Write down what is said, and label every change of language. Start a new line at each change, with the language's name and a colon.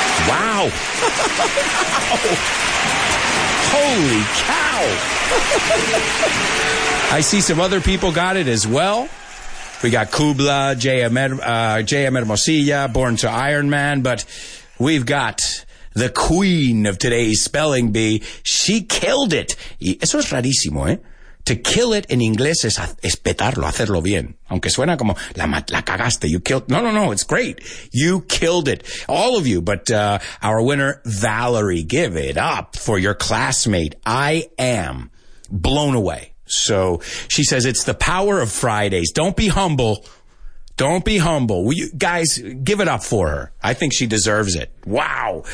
English: Wow. Holy cow. I see some other people got it as well. We got Kubla, J.M. Hermosilla, born to Iron Man, but we've got the queen of today's spelling bee. She killed it.
Spanish: Y eso es rarísimo, eh?
English: To kill it
Spanish: in inglés es petarlo, hacerlo bien. Aunque suena como la cagaste,
English: you killed. No, no, no, it's great. You killed it. All of you, but our winner, Valerie, give it up for your classmate. I am blown away. So she says, it's the power of Fridays. Don't be humble. Don't be humble. Will you guys give it up for her? I think she deserves it. Wow.